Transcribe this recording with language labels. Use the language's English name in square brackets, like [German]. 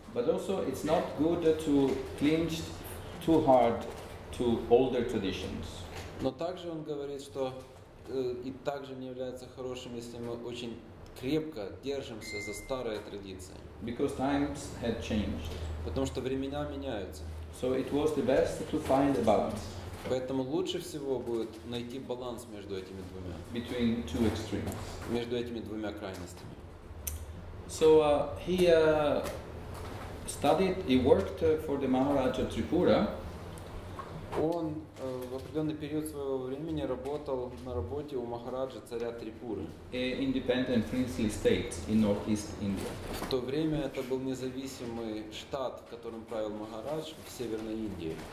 [English] But also it's not good to cling too hard to older traditions. [Russian] Но также он говорит, что и также не является хорошим, если мы очень крепко держимся за старые традиции. [English] Because times had changed. [Russian] Потому что времена меняются. [English] So it was the best to find a balance. [Russian] Поэтому лучше всего будет найти баланс между этими двумя. [English] Between two extremes. [Russian] Между этими двумя крайностями. [English] So he studied, he worked for the Maharaja of Tripura. [Russian] Он в определенный период своего времени работал на работе у Махараджа царя Трипуры. [English] Independent princely state in northeast India. [Russian] В то время это был независимый штат, в котором правил Махарадж в Северной Индии.